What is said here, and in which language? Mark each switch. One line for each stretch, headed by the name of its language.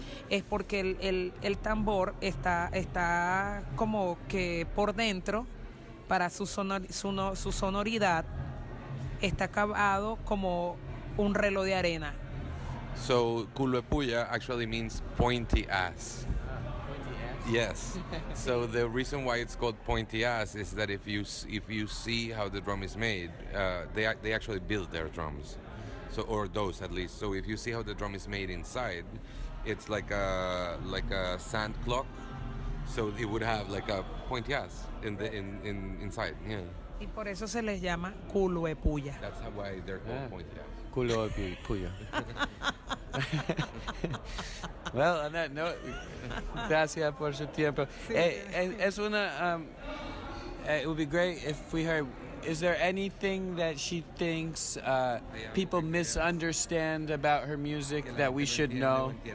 Spanish: Es porque el tambor está como que por dentro, para su sonoridad, está acabado como un reloj de arena.
English: So, culuepuya actually means pointy ass. Yes. So the reason why it's called pointy ass is that if you see how the drum is made, they actually build their drums. So, or those at least. So if you see how the drum is made inside, it's like a sand clock, so it would have like a pointy ass in inside. Yeah.
Spanish: Y por eso se les llama culuepuya.
English: That's how why they're called pointy ass.
Spanish: Culuepuya.
English: Well, on that note,
Spanish: gracias por su tiempo. Es una.
English: It would be great if we heard. Is there anything that she thinks people misunderstand about her music that we should know?